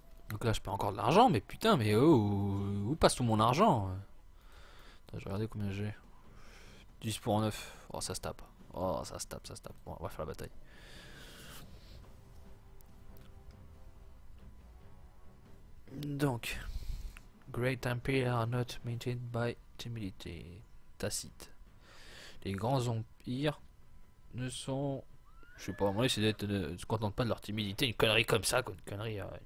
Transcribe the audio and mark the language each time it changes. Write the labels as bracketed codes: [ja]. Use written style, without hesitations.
[fr] Donc là, je perds encore de l'argent, mais putain, mais où passe tout mon argent? Attends, je vais regarder combien j'ai. 10 pour 9. Oh, ça se tape. Oh, ça se tape, ça se tape. Bon, on va faire la bataille. [en] Donc, Great Empire are not maintained by timidity. [fr] Tacite. Les grands empires ne sont. Je sais pas, à mon avis, c'est d'être. Ne se contentent pas de leur timidité. Une connerie comme ça, quoi. Une connerie.